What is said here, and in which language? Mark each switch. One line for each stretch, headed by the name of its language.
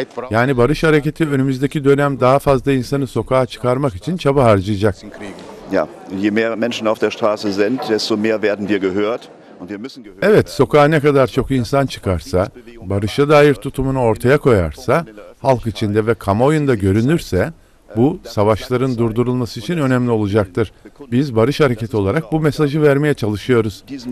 Turkish: Yani Barış Hareketi önümüzdeki dönem daha fazla insanı sokağa çıkarmak için çaba harcayacak.
German: Ja, je mehr Menschen auf der Straße sind, desto mehr werden wir gehört und wir müssen gehört.
Turkish: Evet, sokağa ne kadar çok insan çıkarsa, barışa dair tutumunu ortaya koyarsa, halk içinde ve kamuoyunda görünürse, Bu, savaşların durdurulması için önemli olacaktır. Biz barış hareketi olarak bu mesajı vermeye çalışıyoruz.